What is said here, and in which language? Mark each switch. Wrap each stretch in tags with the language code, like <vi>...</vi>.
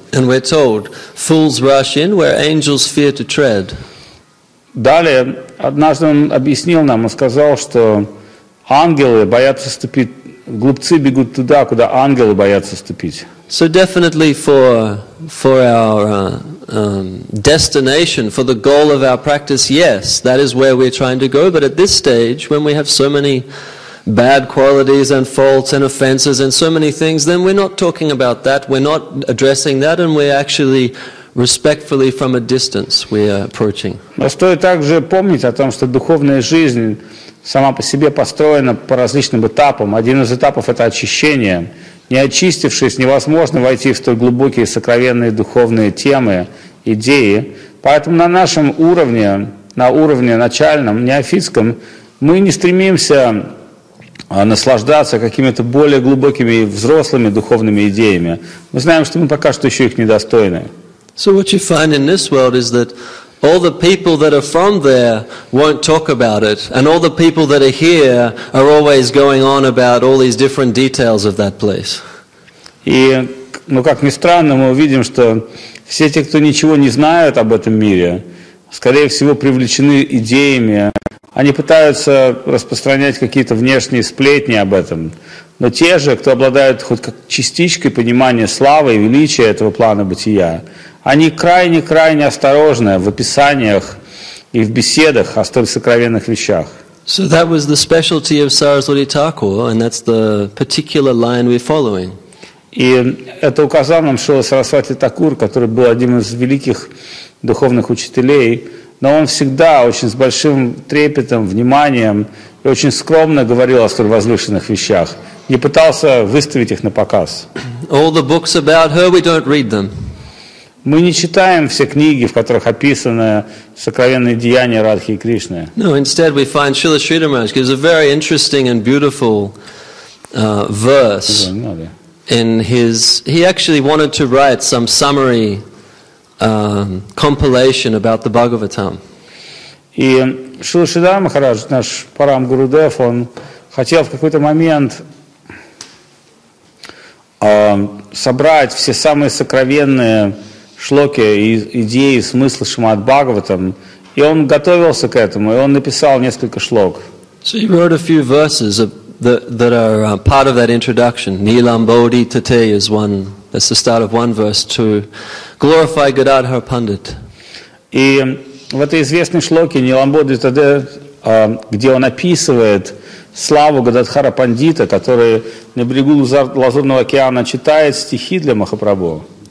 <en>And we're told, fools rush in where angels fear to tread.</en> <ru>Далее, однажды он объяснил нам, он сказал, что ангелы боятся ступить, глупцы бегут туда, куда ангелы боятся ступить.</ru> <en>So definitely for our destination, for the goal of our practice, yes, that is where we're trying to go. But at this stage, when we have so many bad qualities and faults and offenses and so many things, then we're not talking about that, we're not addressing that, and we're actually respectfully from a distance we are approaching.</en> <ru>Но стоит также помнить о том, что духовная жизнь сама по себе построена по различным этапам. Один из этапов – это очищение. Не очистившись, невозможно войти в столь глубокие, сокровенные духовные темы, идеи. Поэтому на нашем уровне, на уровне начальном, неофитском, мы не стремимся наслаждаться какими-то более глубокими и взрослыми духовными идеями. Мы знаем, что мы пока что еще их недостойны.</ru> <en>So what you find in this world is that All the people that are from there won't talk about it, and all the people that are here are always going on about all these different details of that place.</en> <ru>И, ну как ни странно, мы увидим, что все те, кто ничего не знают об этом мире, скорее всего, привлечены идеями. Они пытаются распространять какие-то внешние сплетни об этом. Но те же, кто обладают хоть как частичкой понимания славы и величия этого плана бытия, они крайне-крайне осторожны в описаниях и в беседах о столь сокровенных вещах.</ru> <en>So that was the specialty of Saraswati Thakur, and that's the particular line we're following.</en> <ru>И это указал нам Шрила Сарасвати Такур, который был одним из великих духовных учителей, но он всегда очень с большим трепетом, вниманием и очень скромно говорил о столь возвышенных вещах, не пытался выставить их на показ.</ru> <en>All the books about her, we don't read them.</en> <ru>Мы не читаем все книги, в которых описаны сокровенные деяния Радхи и Кришны.</ru> <en>No, instead we find Шрила Шридхар Махарадж gives a very interesting and beautiful verse. In his, he actually wanted to write some summary compilation about the Bhagavatam.</en> <ru>И Шрила Шридхар Махарадж, наш Парам Гурудев, он хотел в какой-то момент собрать все самые сокровенные шлоки и идеи, смысл Шримад Бхагаватам, и он готовился к этому, и он написал несколько шлок.</ru> <en>So he wrote a few verses of that are part of that introduction. Nilam Bodhi Tate is one, that's the start of one verse, to glorify Gadadhar Pandit.</en> <ru>И в этой известной шлоке Нилам Бодхи Тате, где он описывает славу Гададхара Пандита, который на берегу Лазурного океана читает стихи для Махапрабху.</ru>